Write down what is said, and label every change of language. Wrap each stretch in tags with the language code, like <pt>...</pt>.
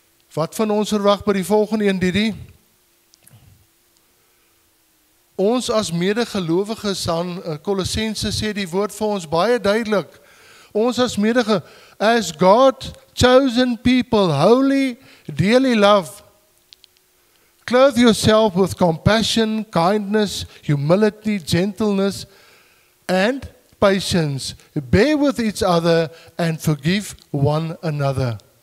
<af>Wat van ons verwag by die volgende een, Didi? Ons as medegelowiges aan Kolossense sê die woord vir ons baie duidelik. Ons as as</af> <en>God chosen people, holy, dearly loved, clothe yourself with compassion, kindness, humility, gentleness and patience. Bear with each other and forgive one another.</en>